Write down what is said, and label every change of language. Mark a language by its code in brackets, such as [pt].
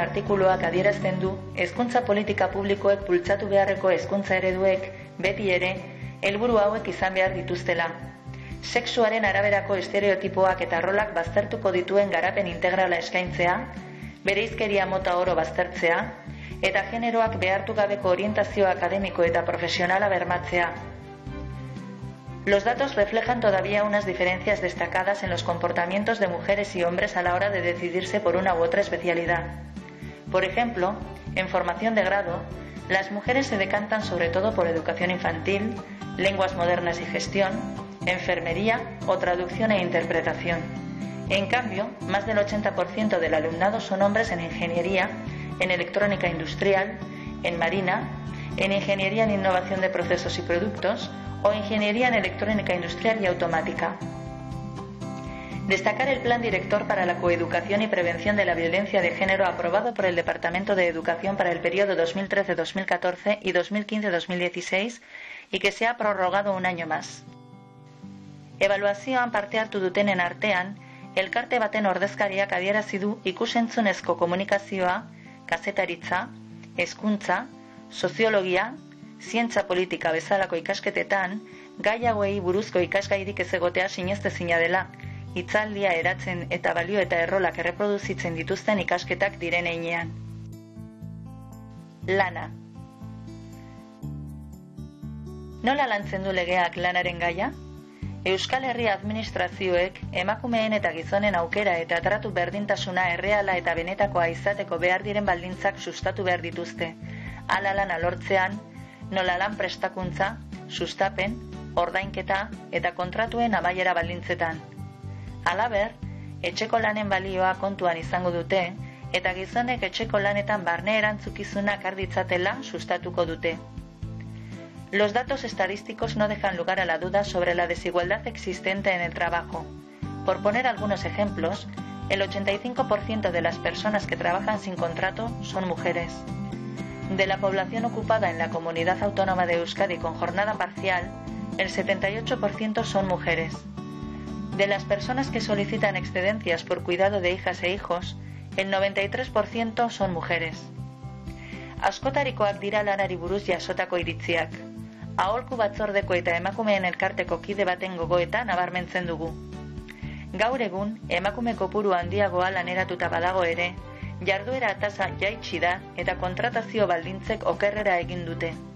[eu] Artikuluak adierazten du, hezkuntza politika publikoek bultzatu beharreko hezkuntza ereduek, beti ere, helburu hauek izan behar dituztela. Sexuaren araberako estereotipoak eta rolak baztertuko dituen garapen integrala eskaintzea, bereizkeria mota oro baztertzea, eta generoak behartu gabeko orientazio akademiko eta profesionala bermatzea. [es] Los datos reflejan todavía unas diferencias destacadas en los comportamientos de mujeres y hombres a la hora de decidirse por una u otra especialidad. Por ejemplo, en formación de grado, las mujeres se decantan sobre todo por educación infantil, lenguas modernas y gestión, enfermería o traducción e interpretación. En cambio, más del 80% del alumnado son hombres en ingeniería, en electrónica industrial, en marina, en ingeniería en innovación de procesos y productos, o Ingeniería en Electrónica Industrial y Automática. Destacar el Plan Director para la Coeducación y Prevención de la Violencia de Género aprobado por el Departamento de Educación para el periodo 2013-2014 y 2015-2016 y que se ha prorrogado un año más. [eu] Evaluazioan parte hartu dutenen artean, elkarte baten ordezkariak adierazi du ikusentzunezko komunikazioa, kazetaritza, hezkuntza, soziologia, zientza politika bezalako ikasketetan, gai hauei buruzko ikasgairik ez egotea sinestezina dela, hitzaldia eratzen eta balio eta errolak erreproduzitzen dituzten ikasketak diren heinean. lana. Nola lantzen du legeak lanaren gaia? Euskal Herria administrazioek emakumeen eta gizonen aukera eta tratu berdintasuna erreala eta benetakoa izateko behar diren baldintzak sustatu behar dituzte. Hala lana lortzean, nola lan prestakuntza, sustapen, ordainketa eta kontratuen amaiera baldintzetan. Halaber, etxeko lanen balioa kontuan izango dute eta gizonek etxeko lanetan barne erantzukizunak arditzatela sustatuko dute. [es] Los datos estadísticos no dejan lugar a la duda sobre la desigualdad existente en el trabajo. Por poner algunos ejemplos, el 85% de las personas que trabajan sin contrato son mujeres. De la población ocupada en la Comunidad Autónoma de Euskadi con jornada parcial, el 78% son mujeres. De las personas que solicitan excedencias por cuidado de hijas e hijos, el 93% son mujeres. [eu] Askotarikoak dira lanari buruz jasotako iritziak. Aholku batzordeko eta emakumeen elkarteko kide baten gogoeta nabarmentzen dugu. Gaur egun, emakume kopuru handiagoa laneratuta badago ere, jarduera tasa jaitsi da eta kontratazio baldintzek okerrera egin dute.